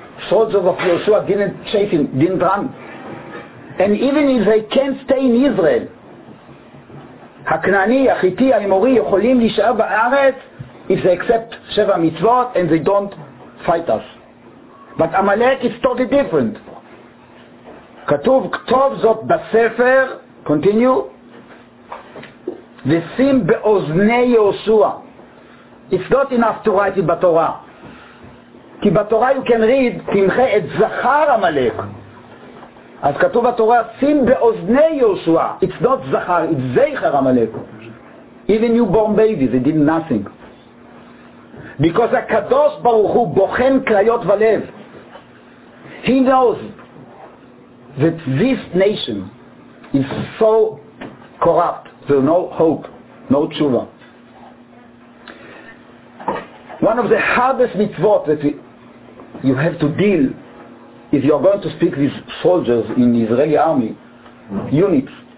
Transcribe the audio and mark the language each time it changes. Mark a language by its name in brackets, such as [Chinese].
[English] Soldiers of Yeshua didn't chase him, didn't run. And even if they can't stay in Israel, [Hebrew] הקנעני, החיטי, האמורי, יכולים להישאר בארץ [English] if they accept שבע מצוות and they don't fight us. But Amalek is totally different. [Hebrew] כתוב, כתוב זאת בספר, continue, ושים באוזני יהושע. [English] It's not enough to write it בתורה. [Hebrew] כי בתורה [English] you can read, [Hebrew] תמחה את זכר המלאק. אז כתוב בתורה, שים באוזני יהושע. [English] It's not זכר, it's זכר המלאק. Even newborn babies, they did nothing. [Hebrew] Because הקדוש ברוך הוא בוחן קריות ולב. [English] He knows that this nation is so corrupt. There's no hope, no tshuva. One of the hardest mitzvot that you have to deal is you're going to speak with soldiers in the Israeli army units.